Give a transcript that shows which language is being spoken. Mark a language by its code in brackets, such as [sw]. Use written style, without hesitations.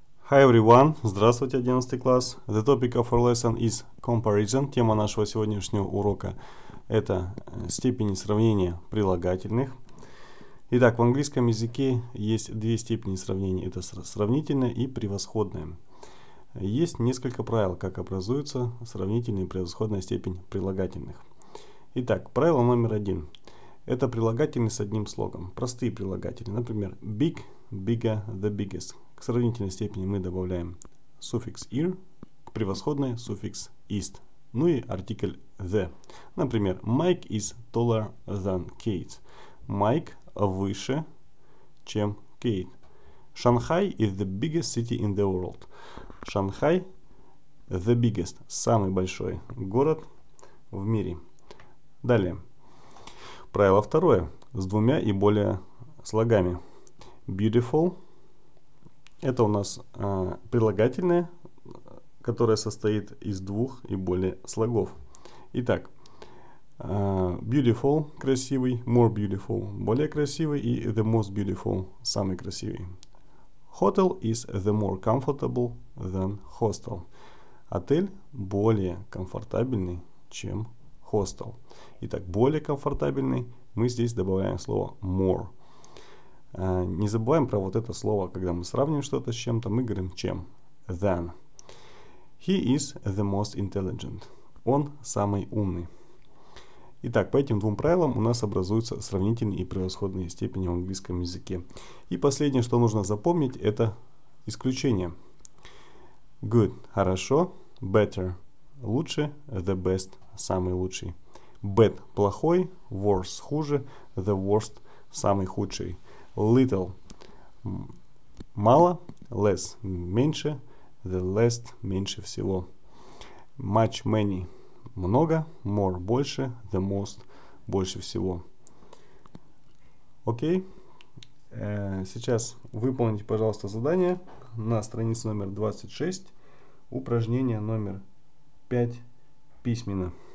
[en] Hi everyone, [ru] здравствуйте, 11 класс. [en] The topic of our lesson is comparison. [ru] Тема нашего сегодняшнего урока – это степени сравнения прилагательных. Итак, в английском языке есть две степени сравнения – это сравнительное и превосходное. Есть несколько правил, как образуется сравнительная и превосходная степень прилагательных. Итак, правило номер один – это прилагательные с одним слогом, простые прилагательные, например, [en] big, bigger, the biggest. [ru] К сравнительной степени мы добавляем суффикс -ir, к превосходной – суффикс -ist, ну и артикль the. Например, [en] Mike is taller than Kate. [ru] Mike выше, чем Kate. [en] Shanghai is the biggest city in the world. [ru] Shanghai – [en] the biggest, [ru] самый большой город в мире. Далее. Правило второе – с двумя и более слогами. Beautiful – это у нас прилагательное, которое состоит из двух и более слогов. Итак, beautiful – красивый, [en] more beautiful [ru] – более красивый, и [en] the most beautiful [ru] – самый красивый. [en] Hotel is the more comfortable than hostel. [ru] Отель более комфортабельный, чем hostel. Итак, более комфортабельный, мы здесь добавляем слово more. Не забываем про вот это слово, когда мы сравним что-то с чем-то, мы говорим чем. [en] Than. He is the most intelligent. [ru] Он самый умный. Итак, по этим двум правилам у нас образуются сравнительные и превосходные степени в английском языке. И последнее, что нужно запомнить, это исключение. [en] Good. [ru] Хорошо. [en] Better. [ru] Лучше. [en] The best. [ru] Самый лучший. [en] Bad. [ru] Плохой. [en] Worse. [ru] Хуже. [en] The worst. [ru] Самый худший. [en] Little [ru] – мало, [en] less [ru] – меньше, [en] the least [ru] – меньше всего. [en] Much – many – [ru] много, [en] more – [ru] больше, [en] the most – [ru] больше всего. Окей, сейчас выполните, пожалуйста, задание на странице номер 26, упражнение номер 5 письменно.